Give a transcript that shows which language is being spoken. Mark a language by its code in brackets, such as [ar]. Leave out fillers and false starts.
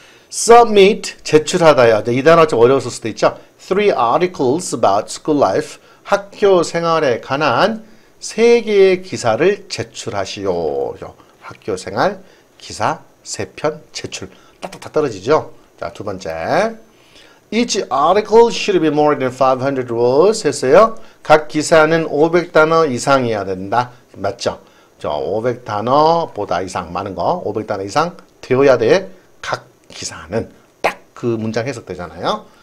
[ko] Submit 제출하다요. 이 단어 좀 어려웠을 수도 있죠. Three articles about school life. 학교 생활에 관한 세 개의 기사를 제출하시오. 학교 생활 기사 세편 제출. 딱딱딱 떨어지죠. 자, 두 번째. [en] Each article should be more than 500 words [ko] 했어요. 각 기사는 500단어 이상이어야 된다. 맞죠? 500단어보다 이상, 많은 거, 500단어 이상 되어야 돼. 각 기사는 딱 그 문장 해석되잖아요.